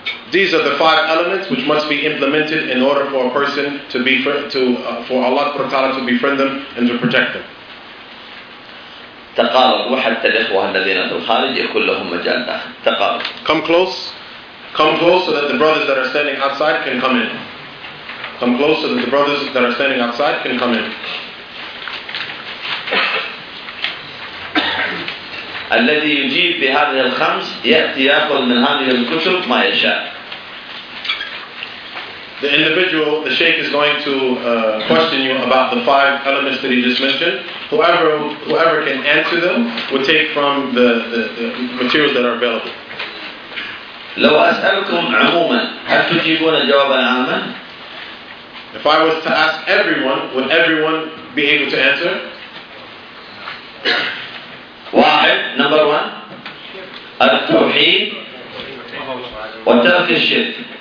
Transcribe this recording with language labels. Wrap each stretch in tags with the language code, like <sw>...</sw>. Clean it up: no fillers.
<en>These are the five elements which must be implemented in order for a person to be for Allah subhanahu wa ta'ala to befriend them and to protect them.</en> <ar>تقارب وحتى الإخوة الذين في الخارج يكون لهم مجال داخل. تقارب.</ar> <en>Come close so that the brothers that are standing outside can come in. Come close so that the brothers that are standing outside can come in.</en> <ar>الذي يجيب بهذه الخمس يأتي يأخذ من هذه الكتب ما يشاء.</ar> <en>The individual, the sheikh is going to question you about the five elements that he just mentioned. Whoever can answer them will take from the materials that are available.</en> <ar>لو أسألكم عموما هل تجيبون جوابا عاما؟</ar> <en>If I was to ask everyone, would everyone be able to answer?</en> <ar>واحد,</ar> <en>number one,</en> <ar>التوحيد وترك الشرك.</ar>